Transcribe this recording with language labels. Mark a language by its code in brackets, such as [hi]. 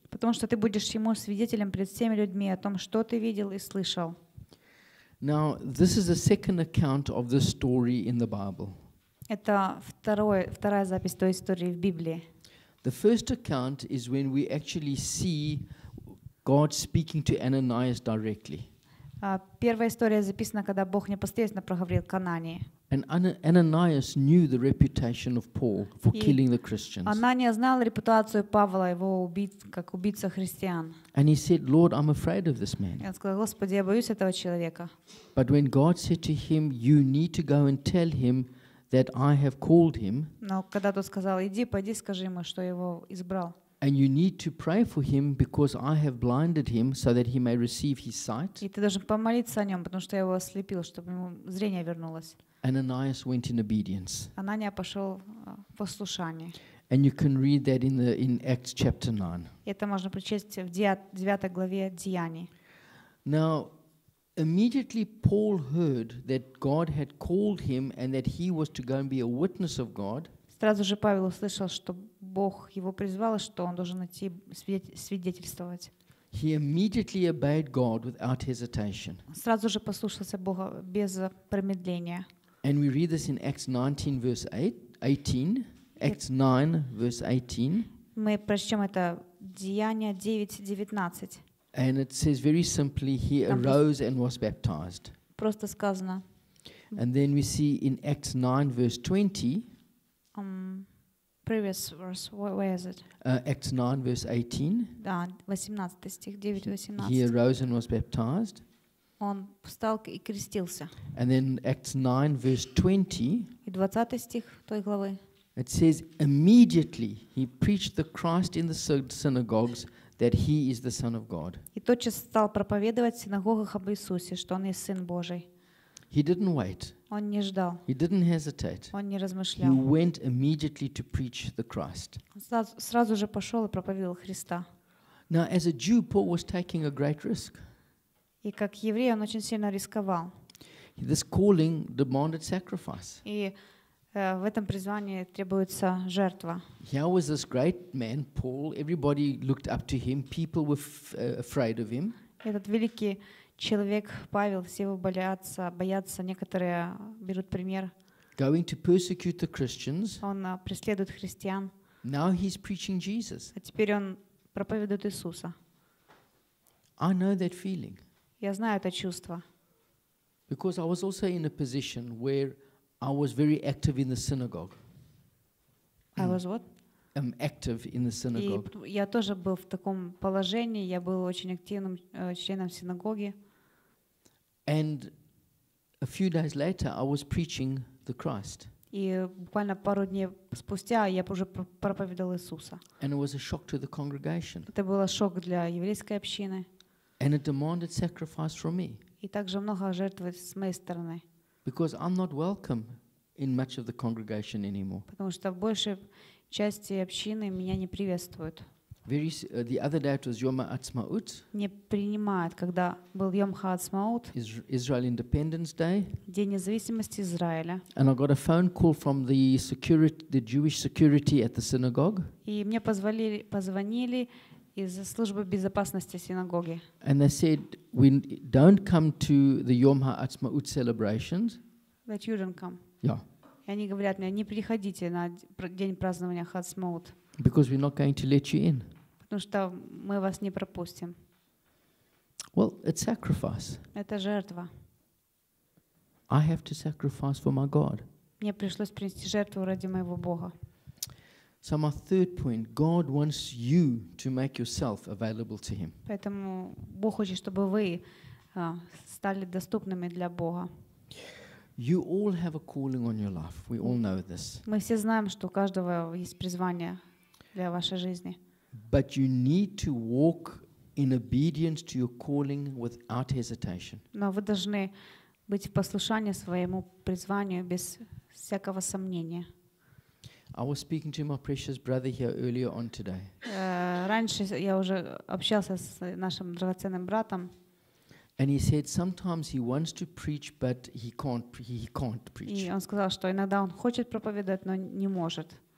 [ru] Потому что ты будешь Ему свидетелем пред всеми людьми о том, что ты видел и слышал. [en] Now this is the second account of this story in the Bible. [ru] Это вторая запись той истории в Библии. [en] The first account is when we actually see God speaking to Ananias directly. [ru] Первая история записана, когда Бог непосредственно проговорил к Анании. [en] And Ananias knew the reputation of Paul for killing the Christians. [ru] Анания знал репутацию Павла, его как убийца христиан. [en] And he said, Lord, I'm afraid of this man. [ru] Он сказал, Господи, я боюсь этого человека. [en] But when God said to him, you need to go and tell him that I have called him. [ru] Но когда тот сказал, иди, пойди, скажи ему, что его избрал. [en] And you need to pray for him because I have blinded him so that he may receive his sight. [ru] И ты должен помолиться о нем, потому что я его ослепил, чтобы ему зрение вернулось. [en] Ananias went in obedience. [ru] Анания пошел в послушание. [en] And you can read that in Acts chapter 9. [ru] Это можно прочесть в 9 главе Деяний. [en] Now, immediately Paul heard that God had called him and that he was to go and be a witness of God. [ru] Сразу же Павел услышал, что Бог его призвал, что он должен идти свидетельствовать. [en] He immediately obeyed God without hesitation. [ru] Сразу же послушался Бога без промедления. [en] And we read this in Acts 19 verse 18. Acts 9 verse 18. [ru] Мы прочтем это Деяния 9:19. [en] And it says very simply, he arose and was baptized. [ru] Просто сказано. [en] And then we see in Acts 9 verse 20. Previous verse, where is it? Acts 9 verse 18. [ru] Да, 18 стих, 9:18. [en] He arose and was baptized. [ru] Он встал и крестился. [en] And then Acts 9 verse 20. [ru] И 20 стих той главы. [en] It says, immediately he preached the Christ in the synagogues, that he is the Son of God. [ru] И тотчас стал проповедовать в синагогах об Иисусе, что он есть Сын Божий. [en] He didn't wait. [ru] Он не ждал. [en] He didn't hesitate. [ru] Он не размышлял. [en] He went immediately to preach the Christ. [ru] Сразу же пошел и проповедовал Христа. [en] Now, as a Jew, Paul was taking a great risk. [ru] И как еврей он очень сильно рисковал. [en] This calling demanded sacrifice. [ru] И в этом призвании требуется жертва. [en] Here was this great man, Paul. Everybody looked up to him. People were afraid of him. [ru] Этот великий человек Павел, все его боятся. Некоторые берут пример. [en] Going to persecute the Christians. [ru] Он преследует христиан. [en] Now he's preaching Jesus. [ru] А теперь он проповедует Иисуса. [en] I know that feeling. [ru] Я знаю это чувство. [en] Because I was also in a position where I was very active in the synagogue. I was what? Active in the synagogue. [ru] И я тоже был в таком положении, я был очень активным членом синагоги. [en] And a few days later I was preaching the Christ. [ru] И буквально пару дней спустя я уже проповедовал Иисуса. [en] And it was a shock to the congregation. [ru] Это было шок для еврейской общины. [en] And it demanded sacrifice from me. [ru] И также много жертв с моей стороны. [en] Because I'm not welcome in much of the congregation anymore. [ru] Потому что в большей части общины меня не приветствуют. [en] The other day it was Yom HaAtzmaut. [ru] Не принимают, когда был Йом Ха-Ацмаут. [en] Israel Independence Day. [ru] День независимости Израиля. [en] And I got a phone call from the Jewish security at the synagogue. [ru] И мне позвонили из службы безопасности синагоги. [en] And they said, we don't come to the Yom HaAtzmaut celebrations. That you don't come. Yeah. [ru] И они говорят мне: не приходите на день празднования Хатсмоут. [en] Because we're not going to let you in. [ru] Потому что мы вас не пропустим. [en] Well, it's sacrifice. [ru] Это жертва. [en] I have to sacrifice for my God. [ru] Мне пришлось принести жертву ради моего Бога. [en] So my third point: God wants you to make yourself available to Him. [ru] Поэтому Бог хочет, чтобы вы стали доступными для Бога. [en] You all have a calling on your life. We all know this. [ru] Мы все знаем, что у каждого есть призвание для вашей жизни. [en] But you need to walk in obedience to your calling without hesitation. [ru] Но вы должны быть в послушании своему призванию без всякого сомнения. [en] I was speaking to my precious brother here earlier on today. [ru] Раньше я уже общался с нашим драгоценным братом. [en] And he said sometimes he wants to preach, but he can't preach. [ru] И он сказал, что иногда он хочет проповедовать, но не может.